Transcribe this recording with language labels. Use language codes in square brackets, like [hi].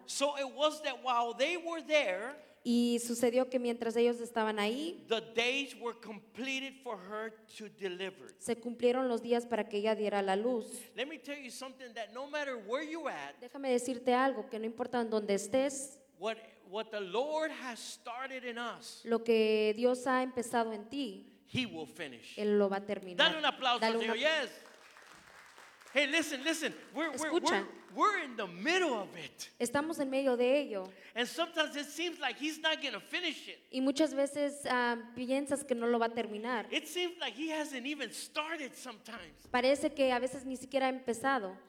[en] So it was that while they were there, [es] y sucedió que mientras ellos estaban ahí, [en] the days were completed for her to deliver. [es] Se cumplieron los días para que ella diera la luz. [en] Let me tell you something, that no matter where you at, [es] déjame decirte algo, que no importa en donde estés, [en] what the Lord has started in us, [es] lo que Dios ha empezado en ti, [en] he will finish. [es] Él lo va a terminar. Dale un aplauso, dale un aplauso. [en] Yes. Hey, listen. We're in the middle of it. [es] Estamos en medio de ello. [en] And sometimes it seems like he's not going to finish it. [es] Y muchas veces piensas que no lo va a terminar. [en] It seems like he hasn't even started sometimes. [es] Parece que a veces ni siquiera ha empezado.